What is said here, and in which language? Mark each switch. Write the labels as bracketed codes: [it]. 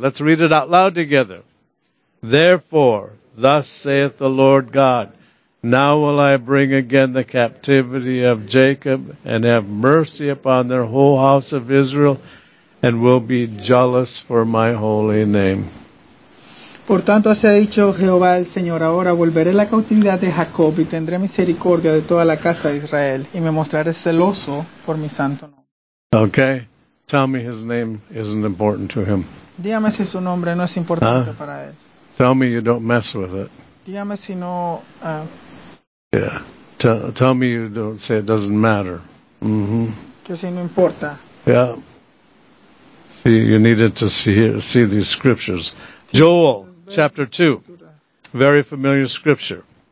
[en] Let's read it out loud together. Therefore, thus saith the Lord God, now will I bring again the captivity of Jacob and have mercy upon their whole house of Israel and will be jealous for my holy name. [es] Por tanto, así ha dicho Jehová el Señor, ahora volveré la cautividad de Jacob y tendré misericordia de toda la casa de Israel y me mostraré celoso por mi santo nombre. [en] Okay. Tell me his name isn't important to him. [es] Dígame si su nombre no es importante para él. [en] Tell me you don't mess with it. [es] Dígame si no, [en] yeah. Tell me you don't say it doesn't matter. [es] Que si no importa. [en] Yeah. See, you needed to see these scriptures. Joel, chapter 2. Very familiar scripture.